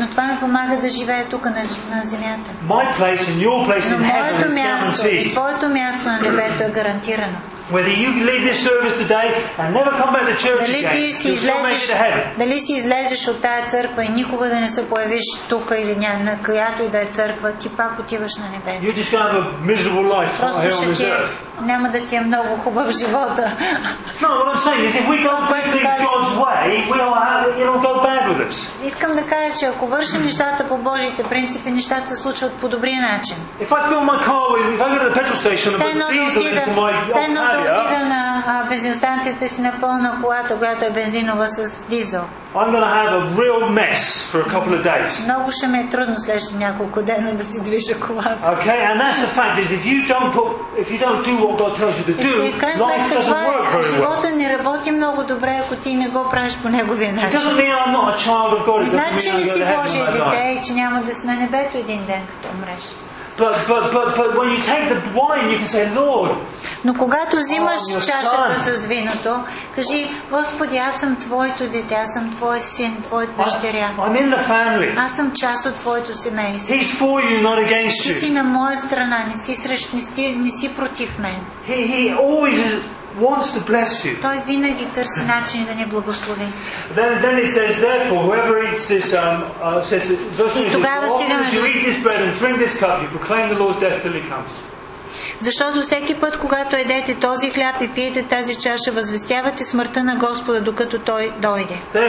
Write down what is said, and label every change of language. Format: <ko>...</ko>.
<bg>Но това ми помага да живея тук на земята.</bg> <en>My place and your place in heaven is guaranteed.</en> <bg>Твоето място на небето е гарантирано.</bg> <en>Whether you leave this service today and never come back to church again, you'll still make it to heaven.</en> <bg>Дали си излезеш от тая църква и никога да не се появиш тук или на която и да е църква, ти пак отиваш на небето.</bg> <en>You're just gonna have a miserable life here on this earth.</en> <bg>Няма да ти е много хубав живота.</bg> <en>No, what I'm saying is if we don't do things God's way, it'll go bad with us.</en> <bg>Искам да кажа, че ако вършим нещата по Божите принципи, нещата се случват по добрия начин.</bg> <en>If I fill my car with, if I go to the petrol station and put diesel into my</en> <bg>да отида на бензиностанцията си напълна колата, която е бензинова с дизел.</bg> <en>I'm gonna have a real mess for a couple of days.</en> <bg>Много ще ми е трудно следващи няколко дена да си движа колата.</bg> <en>Okay, and that's the fact is if you don't do what God tells you to do, life doesn't work very well.</en> <bg>Живота не работи много добре, ако ти не го правиш по неговия начин.</bg> <en>It doesn't mean I'm not a child of God.</en> <bg>Значи ли си Божие дете и че няма да си на небето един ден, като умреш?</bg> <en>But when you take the wine, you can say, Lord.</en> <bg>Но когато взимаш чашата с виното, кажи, Господи, аз съм Твоето дете, аз съм Твой син, Твоя дъщеря.</bg> <en>I'm in the family.</en> <bg>Аз съм част от Твоето семейство.</bg> <en>He's for you, not against you.</en> <bg>Ти си на моя страна, не си срещу, не си против мен.</bg> <en>He always wants to bless you.</en> <bg>Той винаги търси начин да ни благослови.</bg> <en>Then it says, therefore, whoever eats this, says, those who eat this bread and drink this cup, you proclaim the Lord's death till he comes.</en> <bg>Защото всеки път, когато едете този хляб и пиете тази чаша, възвестявате смъртта на Господа, докато Той дойде.</bg>